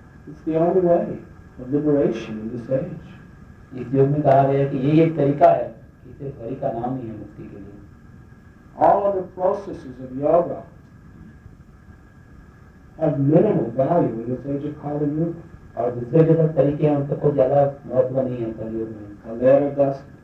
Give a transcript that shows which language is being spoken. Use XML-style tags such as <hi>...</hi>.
<en>It's the only way of liberation in this age.</en> <hi>इस युग में कहा गया कि यही एक तरीका है कि सिर्फ हरि का नाम ही है मुक्ति के लिए।</hi> <en>All of the processes of yoga have minimal value in this age of Kali Yuga.</en> <hi>और दूसरे जो सब तरीके हैं उनका कोई ज्यादा महत्व नहीं है कल युग में।</hi>